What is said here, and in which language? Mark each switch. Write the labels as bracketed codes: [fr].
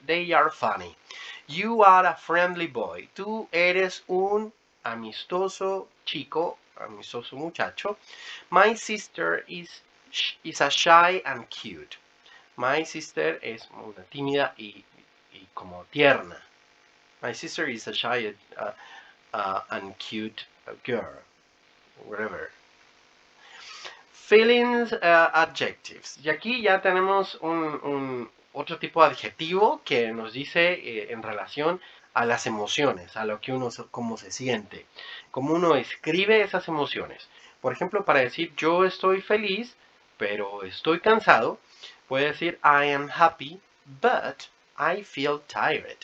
[en] They are funny. You are a friendly boy. [es] Tú eres un amistoso chico, amistoso muchacho. [en] My sister is a shy and cute. My sister [es] es una tímida y como tierna. [en] My sister is a shy and cute girl, whatever. Feelings adjectives. [es] Y aquí ya tenemos un otro tipo de adjetivo que nos dice en relación a las emociones, a lo que uno, cómo se siente, cómo uno escribe esas emociones. Por ejemplo, para decir yo estoy feliz, pero estoy cansado, puede decir [en] I am happy, but I feel tired.